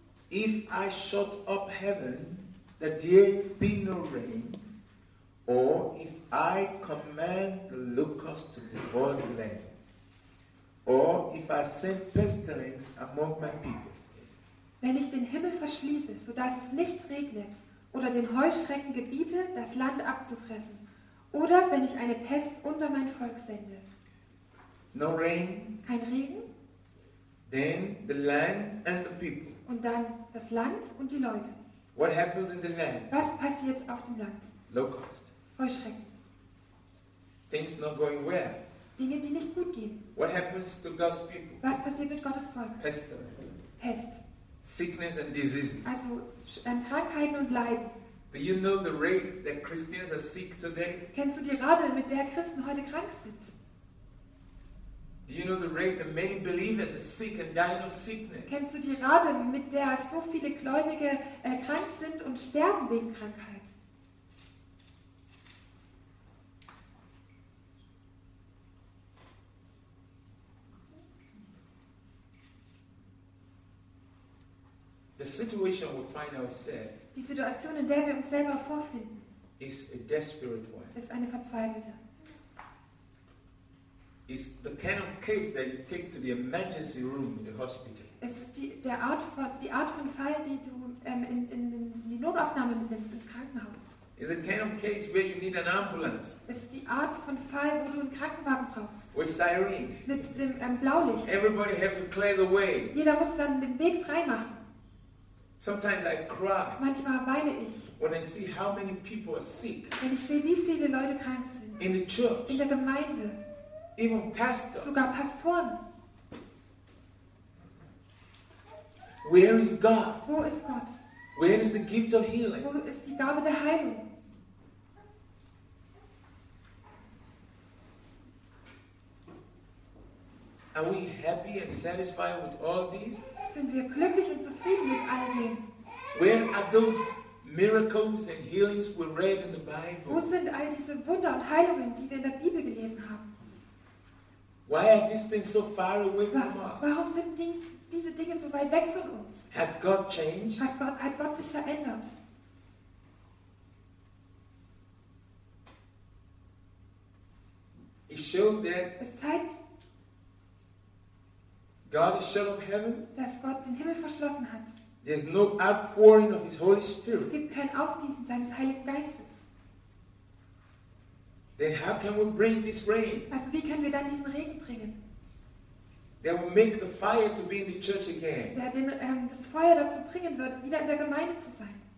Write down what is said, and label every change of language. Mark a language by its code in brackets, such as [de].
[en] If I shut up heaven that there be no rain, or if I command the locusts to devour the land, or if I send pestilence among my people. [de] Wenn ich den Himmel verschließe, sodass es nicht regnet, oder den Heuschrecken gebiete, das Land abzufressen, oder wenn ich eine Pest unter mein Volk sende. [en] No rain. [de] Kein Regen. [en] Then the land and the people. [de] Und dann das Land und die Leute. [en] What happens in the land? [de] Was passiert auf dem Land? [en] Locust. [de] Heuschrecken. [en] Things not going well. [de] Dinge, die nicht gut gehen. [en] What happens to God's people? [de] Was passiert mit Gottes Volk? [en] Pest. Sickness and diseases. [de] Also Krankheiten und Leiden. [en] Do you know the rate that Christians are sick today? [de] Kennst du die Rate, mit der Christen heute krank sind? [en] Do you know the many believers are sick and dying of sickness? [de] Kennst du die Rate, mit der so viele Gläubige krank sind und sterben wegen Krankheit? [en] The situation we find ourselves. [de] Die Situation, in der wir uns selber vorfinden, [en] is a desperate one. [de] Ist eine verzweifelte. [en] Is the kind of case that you take to the emergency room in the hospital. [de] Es ist die Art von Fall, die du in die Notaufnahme mitnimmst ins Krankenhaus. [en] Is a kind of case where you need an ambulance. [de] Es ist die Art von Fall, wo du einen Krankenwagen brauchst. [en] With siren. [de] Mit dem Blaulicht. [en] Everybody have to clear the way. [de] Jeder muss dann den Weg frei machen. [en] Sometimes I cry. [de] Manchmal weine ich. [en] When I see how many people are sick. [de] Wenn ich sehe, wie viele Leute krank sind. [en] In the church. [de] In der Gemeinde. [en] Even pastors. [de] Sogar Pastoren. [en] Where is God? [de] Wo ist Gott? [en] Where is the gift of healing? [de] Wo ist die Gabe der Heilung? [en] Are we happy and satisfied with all these? [de] Sind wir glücklich und zufrieden mit all dem? [en] Where are those miracles and healings we read in the Bible? [de] Wo sind all diese Wunder und Heilungen, die wir in der Bibel gelesen haben? [en] Why are these things so far away from us? [de] Warum sind diese Dinge so weit weg von uns? [en] Has God changed? [de] Hat Gott sich verändert? [en] It shows that. [de] Es zeigt. [en] God has shut up heaven. [de] Dass Gott den Himmel verschlossen hat. [en] There's no outpouring of His Holy Spirit. [de] Es gibt kein Ausgießen seines Heiligen Geistes. [en] Then how can we bring this rain? [de] Also wie können wir dann diesen Regen bringen? [en] That will make the fire to be in the church again. [de] Der das Feuer dazu bringen wird, wieder in der Gemeinde zu sein.